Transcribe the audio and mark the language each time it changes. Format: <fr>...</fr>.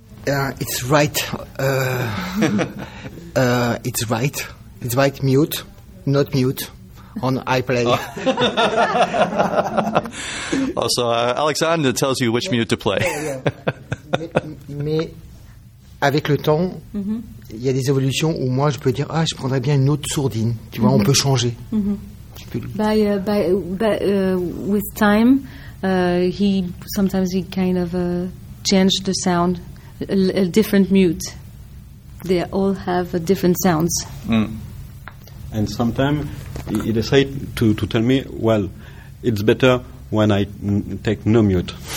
<en>It's right. it's right. It's right. Mute, not mute. On iPlay. Also, Alexandre tells you which mute to play.</en> <fr>mais avec le temps, il y a des évolutions où moi je peux dire je prendrais bien une autre sourdine. Tu vois, on peut changer.</fr> <en>With time, he kind of changed the sound. A different mute. They all have different sounds. And sometimes he decides to tell me, well, it's better when I take no mute.</en>